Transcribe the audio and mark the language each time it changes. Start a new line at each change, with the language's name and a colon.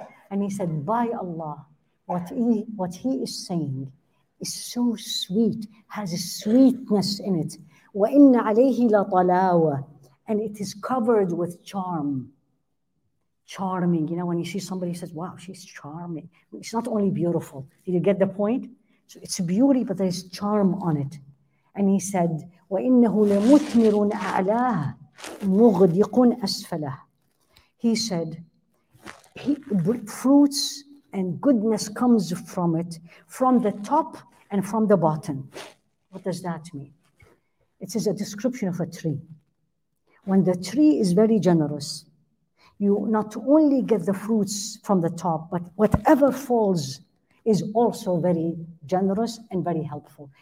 English: And he said, by Allah, what he is saying is so sweet, has a sweetness in it.
Arabic: وَإِنَّ عَلَيْهِ لَطَلَاوَ.
English: And it is covered with charm. Charming. You know, when you see somebody, he says, wow, she's charming. It's not only beautiful. Did you get the point? So it's beauty, but there is charm on it. And he said,
Arabic: وَإِنَّهُ لَمُثْمِرٌ أَعْلَاهُ مُغْدِقٌ أَسْفَلَهُ.
English: He said, fruits and goodness comes from it, from the top and from the bottom. What does that mean? It is a description of a tree. When the tree is very generous, you not only get the fruits from the top, but whatever falls is also very generous and very helpful.